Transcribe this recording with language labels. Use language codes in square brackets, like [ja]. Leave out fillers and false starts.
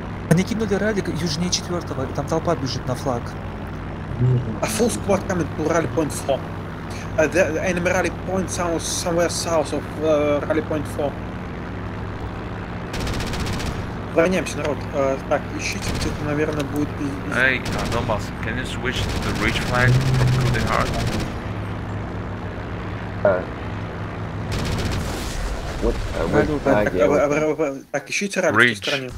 [ru] Они кинули ралик южнее четвертого, там толпа бежит на флаг. [en] A full squad coming to rally point 4. The enemy rally point sounds somewhere south of rally point 4. [ru] Броняемся, народ. Так, ищите, где-то, наверное, будет... [en] Эй, Донбасс, can you switch to the ridge flag from Kuda Hard? [ru] Так, ищите ралли в той стороне.